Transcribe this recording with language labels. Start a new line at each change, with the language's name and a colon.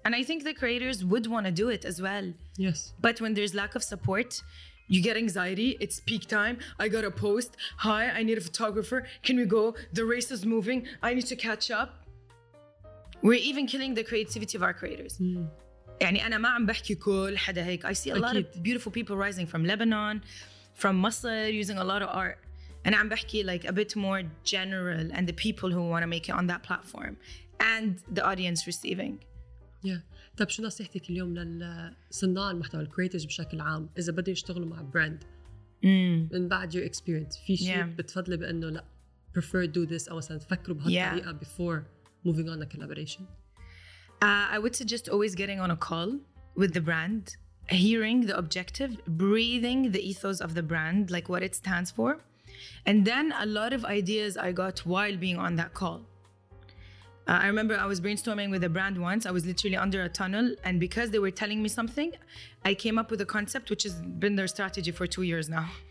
English: And I think the creators would want to do it as well. Yes. But when there's lack of support, you get anxiety, it's peak time, I got a post, hi, I need a photographer, can we go? The race is moving, I need to catch up. We're even killing the creativity of our creators.
Arabic: يعني أنا ما عم بحكي كل حدا هيك.
English: I see a lot of beautiful people rising from Lebanon, from Masr, using a lot of art. And I'm
Arabic: بحكي
English: like a bit more general and the people who want to make it on that platform and the audience receiving. Yeah.
Arabic: طب شو نصيحتك اليوم للصناع المحتوى الكريترز بشكل عام إذا بدوا يشتغلوا مع براند من بعد
English: your experience
Arabic: في شيء بتفضلي بأنه لا
English: prefer do this
Arabic: أو مثلا تفكروا بهالطريقة
English: before moving on a collaboration I would suggest always getting on a call with the brand hearing the objective, breathing the ethos of the brand, like what it stands for. And then a lot of ideas I got while being on that call. I remember I was brainstorming with a brand once. I was literally under a tunnel, and because they were telling me something, I came up with a concept which has been their strategy for 2 years now.